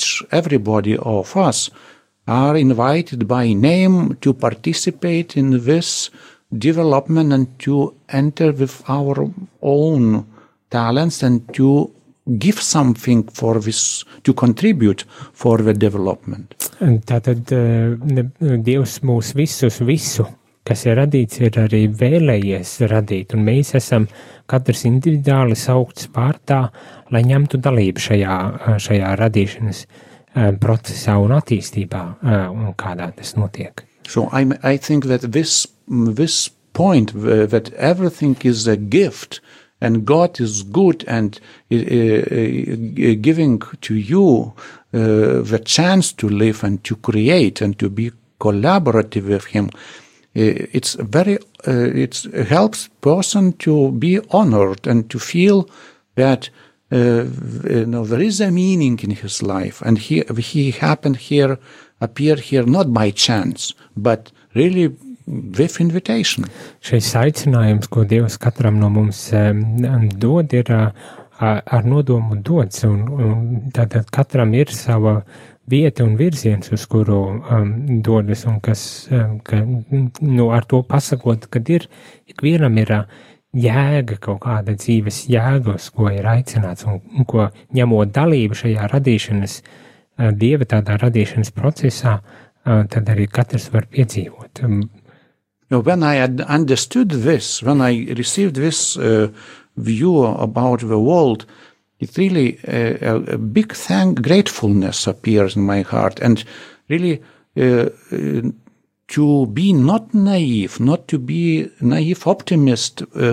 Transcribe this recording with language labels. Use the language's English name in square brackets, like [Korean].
[English] everybody of us are invited by name to participate in this development and to enter with our own talents and to give something for this, to contribute for the development. [Latvian] Tātad Dievs mūs visus visu, kas ir radīts, ir arī vēlējies radīt, un mēs esam katrs individuāli saukts vārtā, lai ņemtu dalību šajā radīšanas procesā un attīstībā, un kādā tas notiek. [English] So I think that this point, that everything is a gift, and God is good, and giving to you the chance to live and to create and to be collaborative with Him, it's very, it helps person to be honored and to feel that you know, there is a meaning in his life, and he happened here, appeared here not by chance, but really with invitation. [Latvian] Šis aicinājums, ko Dievs katram no mums dod, ir ar nodomu dods, un tātad katram ir sava vieta un virziens, uz kuru dodas, un kas nu, ar to pasakot, kad ir, ikvienam ir jēga, kaut kāda dzīves jēgas, ko ir aicināts, un ko ņemot dalību šajā radīšanas Dieva tādā radīšanas procesā, tad arī katrs var piedzīvot. [English] You know, when I had understood this, when I received this view about the world, it really a big thank gratefulness appears in my heart, and really to be not naive, not to be naive optimist,